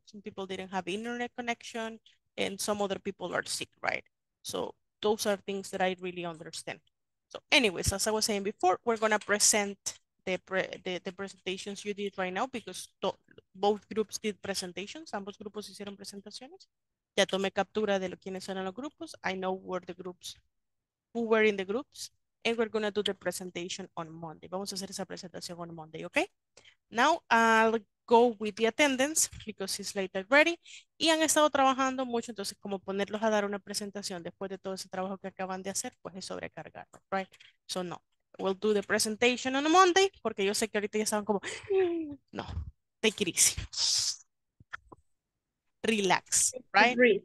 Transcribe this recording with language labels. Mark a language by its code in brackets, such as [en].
[en] Some people didn't have internet connection. And some other people are sick, right? So those are things that I really understand. So anyways, as I was saying before, we're going to present the presentations you did right now because both groups did presentations. [es] Ambos grupos hicieron presentaciones. Ya tomé captura de quiénes eran los grupos. [en] I know where the groups, who were in the groups. And we're going to do the presentation on Monday. [es] Vamos a hacer esa presentación [en] on Monday, okay? Now I'll go with the attendance because it's late already. [es] Y han estado trabajando mucho, entonces como ponerlos a dar una presentación después de todo ese trabajo que acaban de hacer, pues es sobrecargarlo, right? [en] So no, we'll do the presentation on Monday [es] porque yo sé que ahorita ya estaban como, no, [en] take it easy. Relax, right?